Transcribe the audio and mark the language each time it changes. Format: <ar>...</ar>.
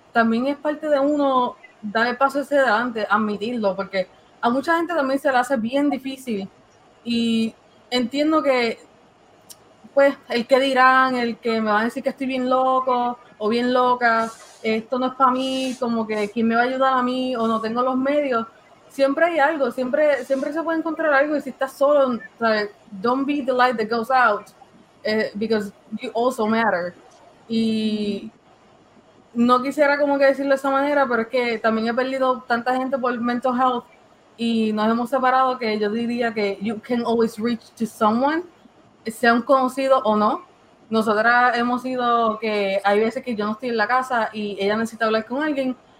<es>También es parte de uno dar el paso hacia adelante, admitirlo, porque a mucha gente también se le hace bien difícil. Y entiendo que pues el que dirán, el que me van a decir que estoy bien loco o bien loca, esto no es para mí, como que quién me va a ayudar a mí o no tengo los medios. Siempre hay algo, siempre se puede encontrar algo. Y si estás solo,</es> <en>don't be the light that goes out, because you also matter.</en> <es>Y no quisiera como que decirlo de esa manera, pero es que también he perdido tanta gente por mental health y nos hemos separado que yo diría que</es> <en>you can always reach to someone,</en> <es>sean conocidos o no. Nosotras hemos sido que hay veces que yo no estoy en la casa y ella necesita hablar con alguien.</es>